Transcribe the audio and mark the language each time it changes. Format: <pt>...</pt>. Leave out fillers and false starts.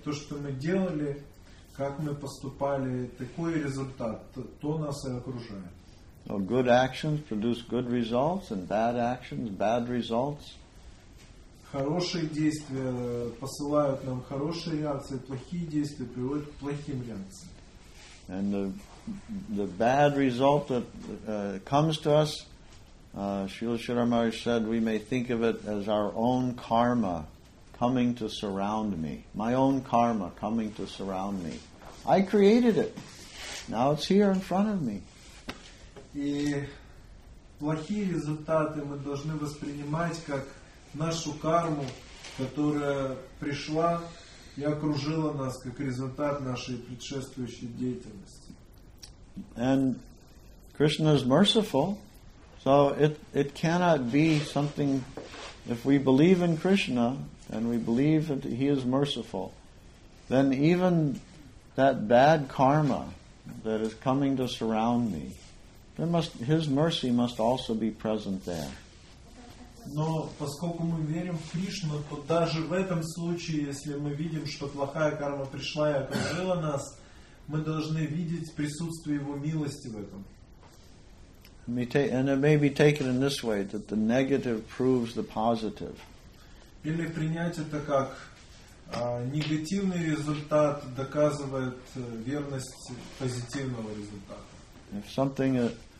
<ru>То, что мы делали, как мы поступали, такой результат, то нас и окружает.</ru> <en>Well, good actions produce good results, and bad actions, bad results.</en> <ru>Хорошие действия посылают нам хорошие реакции, плохие действия приводят к плохим реакциям.</ru> <en>And the bad result that comes to us, Srila Shiramari said, we may think of it as our own karma coming to surround me. My own karma coming to surround me. I created it. Now it's here in front of me.</en> <ru>И плохие результаты мы должны воспринимать как нашу карму, которая пришла и окружила нас как результат нашей предшествующей деятельности.</ru> <en>And Krishna is merciful, so it cannot be something. If we believe in Krishna and we believe that he is merciful, then even that bad karma that is coming to surround me, there must, his mercy must also be present there.</en> <ru>Но поскольку мы верим в Кришну, то даже в этом случае, если мы видим, что плохая карма пришла и окружила нас, мы должны видеть присутствие его милости в этом.</ru> <en>And it may be taken in this way, that the negative proves the positive.</en> <ru>Или принять это как негативный результат доказывает верность позитивного результата.</ru>